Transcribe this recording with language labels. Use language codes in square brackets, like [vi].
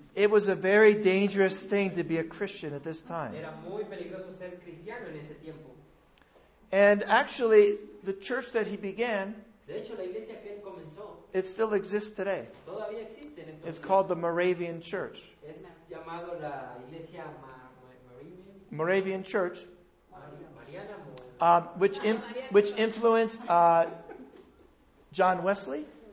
[en] It was a very dangerous thing to be a Christian at this time. [es] Era muy peligroso ser cristiano en ese tiempo. [en] And actually, the church that he began, [es] de hecho, la iglesia que él comenzó, [en] it still exists today. [es] Todavía existe en estos [en] it's [es] días. [en] Called the Moravian Church. [es] Es llamado la iglesia [en] Moravian Church. Mariana. Which influenced John Wesley.